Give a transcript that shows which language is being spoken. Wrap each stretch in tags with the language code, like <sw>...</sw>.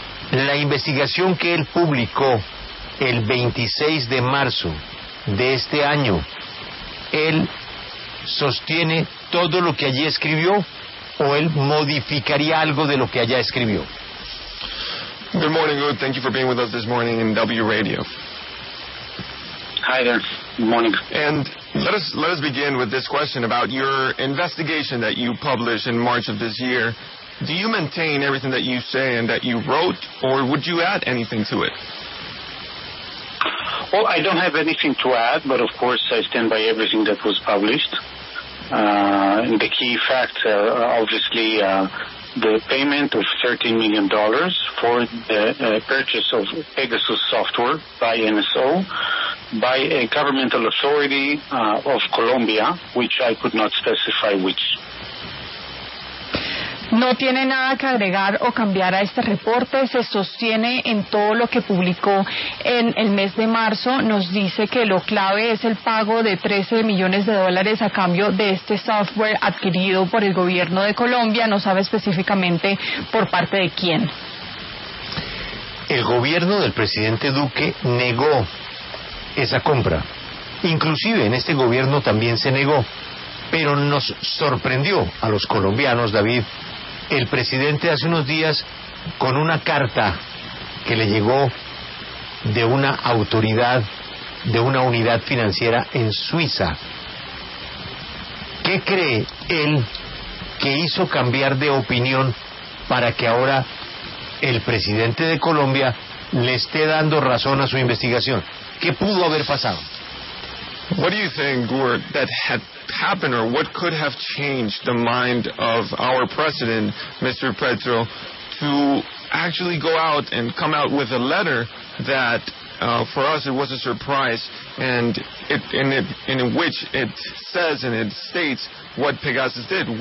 <es>La investigación que él publicó el 26 de marzo de este año, ¿él sostiene todo lo que allí escribió o él modificaría algo de lo que allá escribió?</es> <en>Good morning, Gur. Thank you for being with us this morning in W Radio. Hi there. Good morning. And let us begin with this question about your investigation that you published in March of this year. Do you maintain everything that you say and that you wrote, or would you add anything to it? Well, I don't have anything to add, but of course I stand by everything that was published. The key facts are obviously the payment of $13 million for the purchase of Pegasus software by NSO, by a governmental authority of Colombia, which I could not specify which.</en> <es>No tiene nada que agregar o cambiar a este reporte, se sostiene en todo lo que publicó en el mes de marzo, nos dice que lo clave es el pago de 13 millones de dólares a cambio de este software adquirido por el gobierno de Colombia, no sabe específicamente por parte de quién. El gobierno del presidente Duque negó esa compra, inclusive en este gobierno también se negó, pero nos sorprendió a los colombianos, David. El presidente hace unos días, con una carta que le llegó de una autoridad, de una unidad financiera en Suiza, ¿qué cree él que hizo cambiar de opinión para que ahora el presidente de Colombia le esté dando razón a su investigación? ¿Qué pudo haber pasado?</es> <en>What do you think, Gur, that had happened, or what could have changed the mind of our president, Mr. Petro, to actually go out and come out with a letter that, for us, it was a surprise, and in which it says and it states what Pegasus did?</en>